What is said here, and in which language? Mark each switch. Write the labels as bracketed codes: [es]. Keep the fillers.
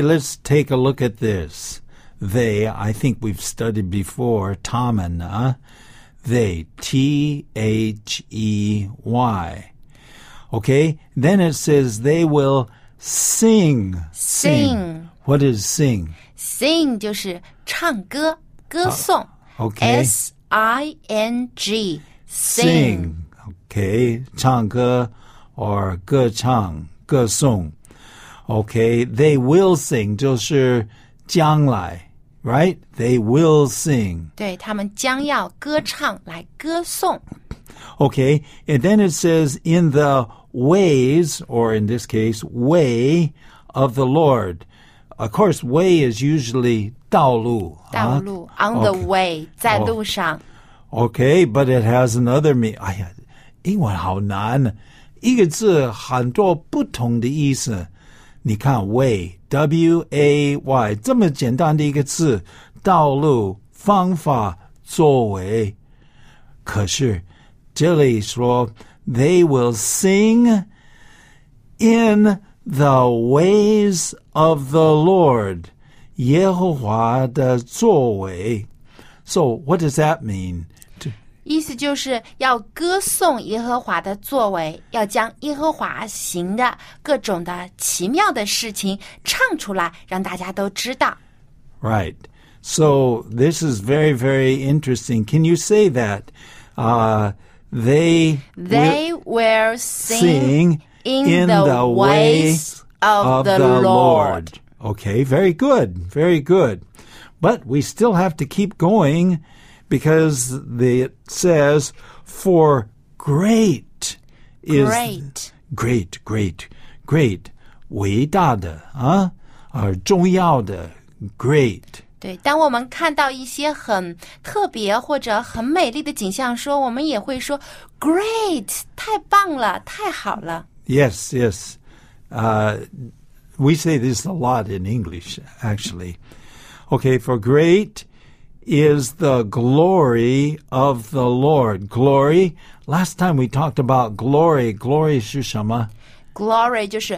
[en] let let's take a look at this. They, I think we've studied before, Tamana. Uh, they, T H E Y. Okay, then it says they will sing. Sing. sing. What is sing? [zh] Sing 就是唱歌,歌颂。 [en] S-I-N-G, uh, okay. sing. [zh] sing. Okay, 唱歌。or 歌唱、歌颂。 [en] Okay, they will sing [zh] 就是将来， [en] right? They will sing. [zh] 对他们将要歌唱来歌颂。 [en] Okay, and then it says in the ways, or in this case, way of the Lord. Of course, way is usually [zh] 道路。道路、 [en] huh? on the okay. way okay. [zh] 在路上。 [en] Oh, okay, but it has another meaning. [zh] 哎呀，英文好难。Okay. 一个字很多不同的意思。你看，way w a y 这么简单的一个字，道路、方法、作为。可是这里说， [en] they will sing in the ways of the Lord， [zh] 耶和华的作为。 [en] So what does that mean？ [zh] 意思就是要歌颂耶和华的作为，要将耶和华行的各种的奇妙的事情唱出来，让大家都知道。 [en] Right. So this is very, very interesting. Can you say that? Uh, they they were sing, sing in, in the, the ways of, the, the, ways of the Lord. Lord. Okay. Very good. Very good. But we still have to keep going because the, it says, For great is. Great. Great, great, great. [zh] 伟大的, [en] huh? [zh] 而重要的, great. 对，当我们看到一些很特别或者很美丽的景象，说我们也会说 “Great，太棒了，太好了。 [en] ”Yes, yes. Uh, we say this a lot in English, actually. Okay, for great, is the glory of the Lord. Glory. Last time we talked about glory. Glory is Glory